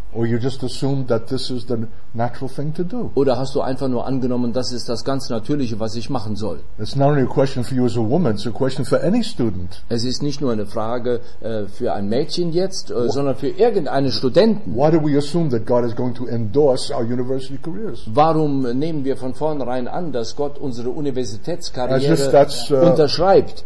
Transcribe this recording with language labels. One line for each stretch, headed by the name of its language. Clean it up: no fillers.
English: Or you just assumed that this is the natural thing to do?
German: Oder hast du einfach nur angenommen, das ist das ganz Natürliche, was ich machen soll?
English: It's not only a question for you as a woman, it's a question for any student.
German: Es ist nicht nur eine Frage für ein Mädchen jetzt, sondern für irgendeine Studenten.
English: Why do we assume that God is going to endorse our university careers?
German: Warum nehmen wir von vornherein an, dass Gott unsere Universitätskarriere unterschreibt?